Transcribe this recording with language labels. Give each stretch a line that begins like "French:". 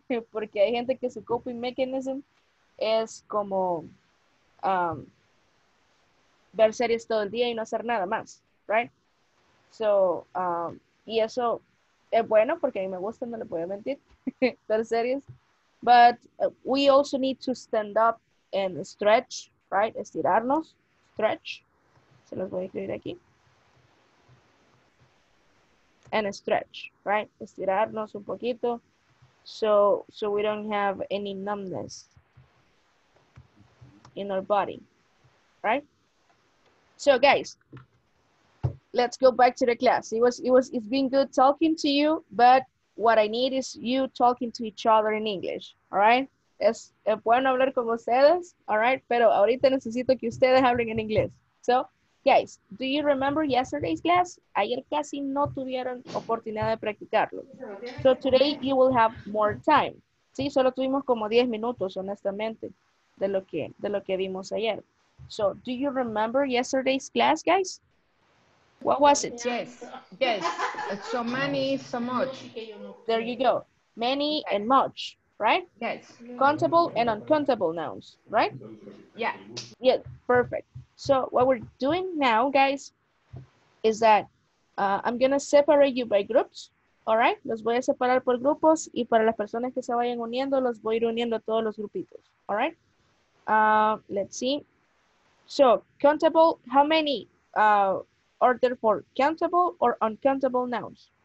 Spanish: Porque hay gente que su coping mechanism es como ver series todo el día y no hacer nada más. Right? So, y eso es bueno porque a mí me gusta, no le puedo mentir, ver series.
English: But we also need to stand up and stretch.
Spanish: Right? Estirarnos. Stretch. Se los voy a escribir aquí.
English: And a stretch, right?
Spanish: Estirarnos un poquito.
English: So we don't have any numbness in our body, right? So guys, let's go back to the class. It's been good talking to you, but what I need is you talking to each other in English, all right?
Spanish: Es bueno hablar con ustedes, all right? Pero ahorita necesito que ustedes hablen en inglés.
English: So, guys, do you remember yesterday's class?
Spanish: Ayer casi no tuvieron oportunidad de practicarlo.
English: So today you will have more time.
Spanish: Sí, solo tuvimos como 10 minutos, honestamente, de lo que vimos ayer.
English: So, do you remember yesterday's class, guys? What was it? Yes, yes. So many, so much. There you go. Many and much, right? Yes. Countable and uncountable nouns, right? Yeah. Yeah, perfect. So what we're doing now, guys, is that I'm going to separate you by groups
Spanish: Alright, los voy a separar por grupos y para las personas que se vayan uniendo, los voy a ir uniendo a todos los grupitos.
English: Alright, let's see. So, countable, how many are there for countable or uncountable nouns?